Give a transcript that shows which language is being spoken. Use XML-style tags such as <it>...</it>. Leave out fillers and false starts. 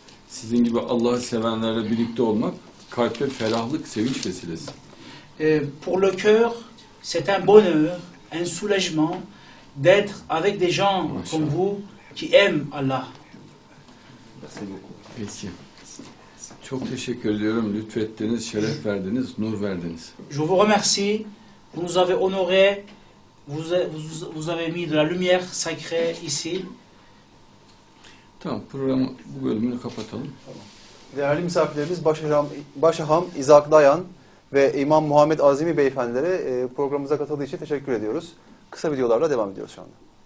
<tr>Sizin gibi Allah'ı sevenlerle birlikte olmak, kalpte ferahlık, sevinç vesilesi.</tr> <fr>Pour le cœur, c'est un bonheur, un soulagement d'être avec des gens maşallah comme vous qui aiment Allah. Merci beaucoup.</fr> <tr>Peki. Çok teşekkür ediyorum. Lütfettiniz, şeref verdiniz, nur verdiniz.</tr> <fr>Je vous remercie. Vous nous avez honoré. Vous avez mis de la lumière sacrée ici.</fr> <tr>Tamam, programı, bu bölümünü kapatalım. Değerli misafirlerimiz, Başaham İzak Dayan ve İmam Muhammed Azimi beyefendilere programımıza katıldığı için teşekkür ediyoruz. Kısa videolarla devam ediyoruz şu anda.</tr>